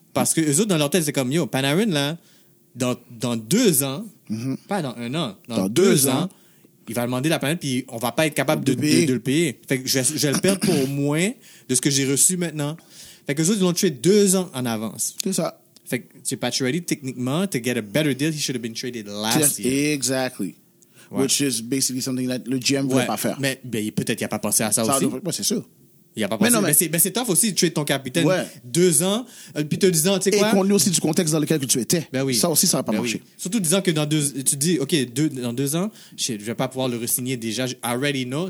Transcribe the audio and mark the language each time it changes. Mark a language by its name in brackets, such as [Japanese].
[French] Parce que eux autres, dans leur tête, c'est comme, yo, Panarin, là, dans deux ans, mm-hmm. pas dans un an, dans deux ans, il va demander la planète, puis on va pas être capable de le payer. Fait que je vais le perdre pour moins de ce que j'ai reçu maintenant. Fait que eux autres, ils l'ont tué deux ans en avance. C'est ça. Fait que tu es pas ready, techniquement, [English] to get a better deal, he should have been traded last year. Exactly. Ouais. Which is basically something that [French] le GM voulait pas faire. Mais peut-être qu'il a pas pensé à ça aussi. Ouais, c'est sûr. Il y a pas mais, non, mais c'est tough aussi de tuer ton capitaine deux ans, puis te disant, tu sais quoi. Et qu'on lit aussi du contexte dans lequel que tu étais. Ben oui. Ça aussi, ça va pas marcher. Oui. Surtout disant que dans deux, tu dis, OK, dans deux ans, je vais pas pouvoir le re-signer déjà. [English] I already know.